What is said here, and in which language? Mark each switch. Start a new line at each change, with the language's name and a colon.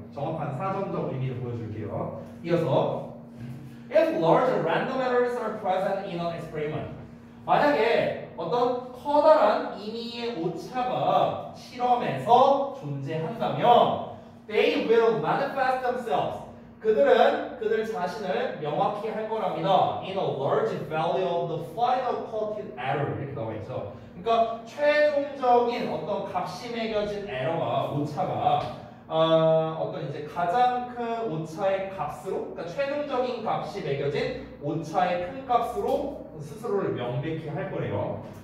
Korean: 정확한 사전적 의미를 보여줄게요. 이어서
English: If large random errors are present in an experiment
Korean: 만약에 어떤 커다란 임의의 오차가 실험에서 존재한다면
English: They will manifest themselves
Korean: 그들은 그들 자신을 명확히 할 거랍니다.
English: In a large value of the final quoted error
Korean: 이렇게 나와있죠. 그러니까 최종적인 어떤 값이 매겨진 에러가 오차가 어떤 이제 가장 큰 오차의 값으로, 그러니까 최종적인 값이 매겨진 오차의 큰 값으로 스스로를 명백히 할 거래요.